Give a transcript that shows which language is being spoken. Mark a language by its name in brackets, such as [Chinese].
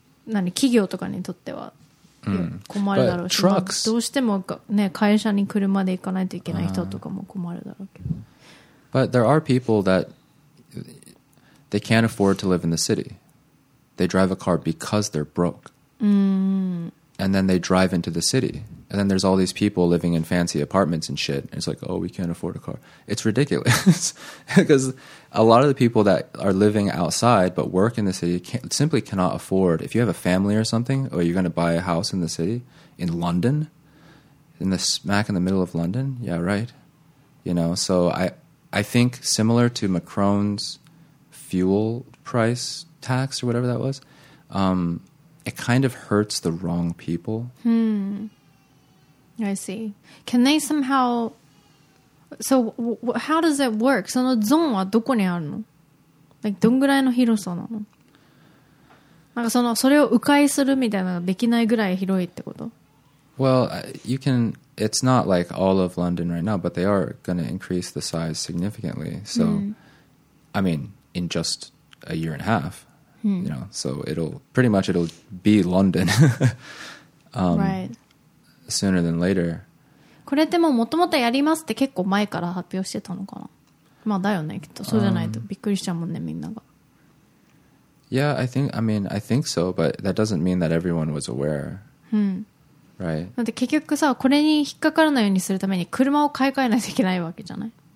[Japanese] 何企業とかにとっては困るだろうし、 [English] trucks, [Japanese] どうしても、ね、会社に車で行かないといけない人とかも困るだろうけど。 [English] But there are people that they can't afford to live in the city. They drive a car because they're broke. And then they drive into the city. And then there's all these people living in fancy apartments and shit. And it's like, oh, we can't afford a car. It's ridiculous. Because a lot of the people that are living outside but work in the city simply cannot afford. If you have a family or something, or you're going to buy a house in the city, in London, in the smack in the middle of London. Yeah, right. You know, so I think similar to Macron's fuel price tax or whatever that was, it kind of hurts the wrong people. I see. Can they somehow... So how does it work? [Japanese] そのゾーンはどこにあるの? [English] Like, [Japanese] どんぐらいの広さなの? なんかその、それを迂回するみたいなのができないぐらい広いってこと? [English] Well, you can... It's not like all of London right now, but they are going to increase the size significantly. So, I mean, in just a year and a half, you know, so it'll... Pretty much it'll be London. right. Sooner than later. [Japanese] これでももともとやりますって結構前から発表してたのかな。まあだよねきっと。そうじゃないとびっくりしちゃうもんねみんなが。 [English] Yeah, I think. I mean, I think so. But that doesn't mean that everyone was aware. Right. [Japanese] だって結局さこれに引っかからないようにするために車を買い替えないといけないわけじゃない。